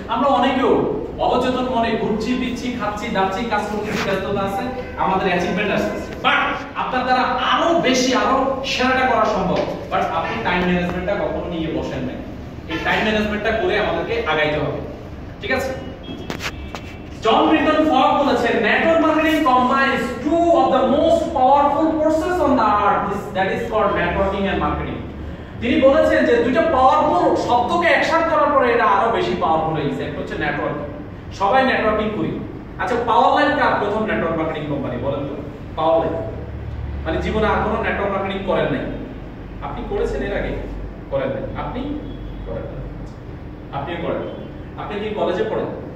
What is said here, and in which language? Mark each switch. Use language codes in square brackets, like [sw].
[bn] আমরা অনেকেও অবচেতন মনে ঘুরছি, পিছি, খাচ্ছি, দাচ্ছি, কাজ করতেছি, ব্যস্ততা আছে, আমাদের অ্যাচিভমেন্ট আসছে, বাট আপনার দ্বারা আরো বেশি আরো সেরাটা করা সম্ভব, বাট আপনি টাইম ম্যানেজমেন্টটা কখনো নিয়ে বসেন নাই। এই টাইম ম্যানেজমেন্টটা করে আমাদেরকে আগাইতে হবে, ঠিক আছে? [en] John Milton Fogg [bn] বলেছেন, [en] network marketing combines two of the most powerful forces on the earth, that is called networking and marketing. [bn] তিনি বলেছেন যে দুটো পাওয়ারফুল শব্দকে একসাথে করার পরে এটা আরো বেশি পাওয়ারফুল হয়ে গেছে, হচ্ছে নেটওয়ার্ক। সবাই নেটওয়ার্কিং করি। আচ্ছা, পাওয়ারলাইফ কার প্রথম নেটওয়ার্ক মার্কেটিং কোম্পানি বলেন তো? পাওয়ারলাইফ মানে জীবনে আর কোনো নেটওয়ার্ক মার্কেটিং করেন নাই? আপনি করেছেন এর আগে? করেন নাই? আপনি করেন? আপনিও করেন? আপনি কি কলেজে পড়েন?